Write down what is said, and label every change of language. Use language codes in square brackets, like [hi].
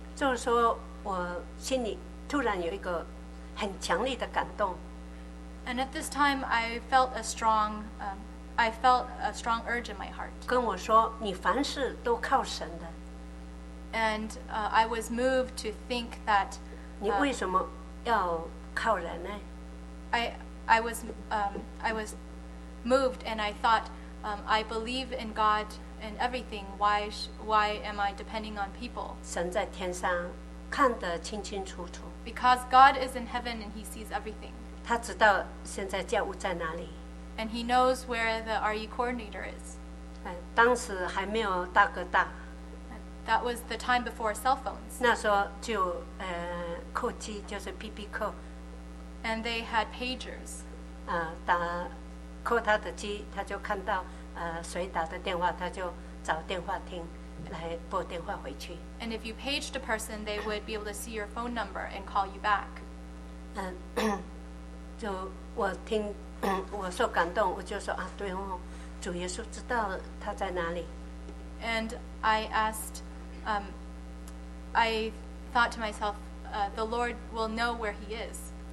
[zh] 就是说我心里突然有一个很强烈的感动。 [en] And at this time, I felt a strong urge in my heart. [zh] 跟我说，你凡事都靠神的。 [en] And I was moved to think that. [zh] 你为什么要靠人呢？ [en] I was moved, and I thought, I believe in God and everything. Why am I depending on people? [zh] 神在天上看得清清楚楚。 [en] Because God is in heaven and He sees everything. [zh] 他知道现在教务在哪里。 [en] And He knows where the RE coordinator is. [zh] 当时还没有大哥大。 [en] That was the time before cell phones. [zh] 那时候就扣机，就是 PP 扣。 [en] And they had pagers. [zh] 打扣他的机，他就看到谁打的电话，他就找电话听来拨电话回去。 [en] And if you paged a person, they would be able to see your phone number and call you back. [zh] 就我听我受感动，我就说啊，对哦，主耶稣知道他在哪里。 [en] And I asked, I thought to myself, the Lord will know where He is.